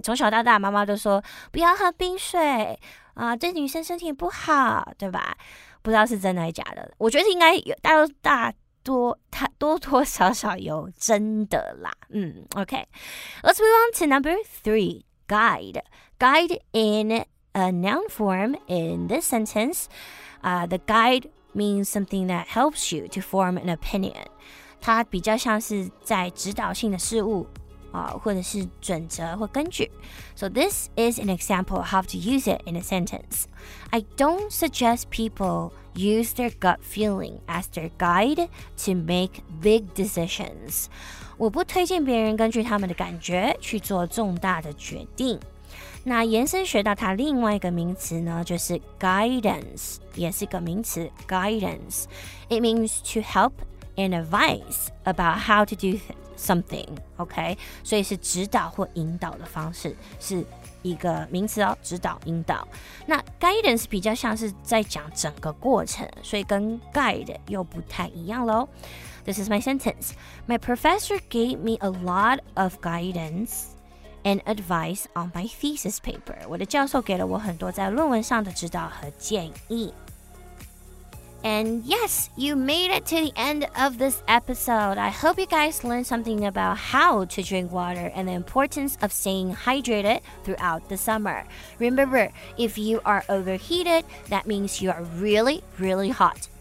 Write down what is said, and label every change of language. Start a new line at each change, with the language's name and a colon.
Chinese: 从小到大，妈妈都说不要喝冰水啊，对女生身体不好，对吧？不知道是真的还是假的。我觉得应该有多多少少有真的啦。
English: Okay. Let's move on to number three. Guide. Guide in a noun form in this sentence. The guide means something that helps you to form an opinion.
Chinese: 它比较像是在指导性的事物、或者是准则或根据。
English: So this is an example of how to use it in a sentence. I don't suggest people use their gut feeling as their guide to make big decisions.
Chinese: 我不推荐别人根据他们的感觉去做重大的决定。那延伸学到它另外一个名词呢就是 guidance, 也是一个名词 guidance.
English: It means to helpAnd advice about how to do something, okay?
Chinese: 所以是指导或引导的方式，是一个名词哦，指导、引导。那 guidance 比较像是在讲整个过程，所以跟 guide 又不太一样咯。
English: This is my sentence. My professor gave me a lot of guidance and advice on my thesis paper.
Chinese: 我的教授给了我很多在论文上的指导和建议。
English: And yes, you made it to the end of this episode. I hope you guys learned something about how to drink water and the importance of staying hydrated throughout the summer. Remember, if you are overheated, that means you are really, really hot.